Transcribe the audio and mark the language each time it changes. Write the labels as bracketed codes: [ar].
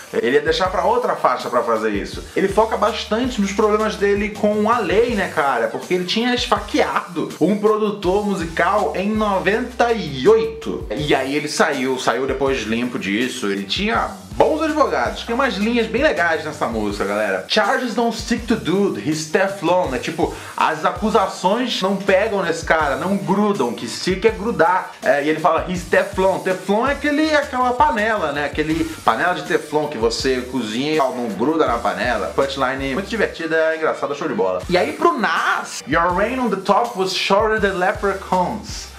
[pt] Ele ia deixar pra outra faixa pra fazer isso. Ele foca bastante nos problemas dele com a lei, né, cara? Porque ele tinha esfaqueado um produtor musical em 98. E aí ele saiu depois limpo disso. Ele tinha bons advogados. Tem umas linhas bem legais nessa música, galera. [en] Charges don't stick to dude, he's Teflon, né? [pt] Tipo, as acusações não pegam nesse cara, não grudam. Que stick é grudar. É, e ele fala, he's Teflon. Teflon é aquela panela, né? Aquele panela de Teflon que você cozinha e não gruda na panela. Punchline muito divertida, engraçada, show de bola. E aí pro Nas, [en] your reign on the top was shorter than leprechauns.